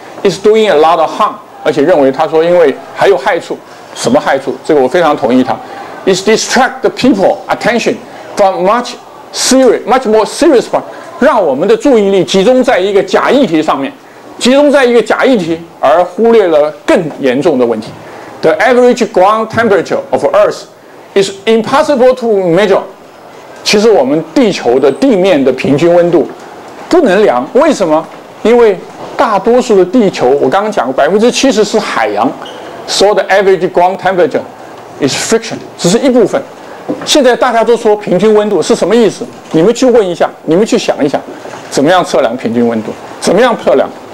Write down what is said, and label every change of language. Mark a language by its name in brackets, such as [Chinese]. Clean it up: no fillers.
[English] It's doing a lot of harm， [Chinese] 而且认为他说因为还有害处。什么害处？这个我非常同意他。 [English] It distract the people attention from much more serious part， [Chinese] 让我们的注意力集中在一个假议题上面，集中在一个假议题，而忽略了更严重的问题。 [English] The average ground temperature of Earth is impossible to measure。 [Chinese] 其实我们地球的地面的平均温度不能量，为什么？因为大多数的地球，我刚刚讲过 70% 是海洋， [English] So the average ground temperature is fiction， [Chinese] 只是一部分。现在大家都说平均温度是什么意思？你们去问一下，你们去想一想，怎么样测量平均温度，怎么样测量。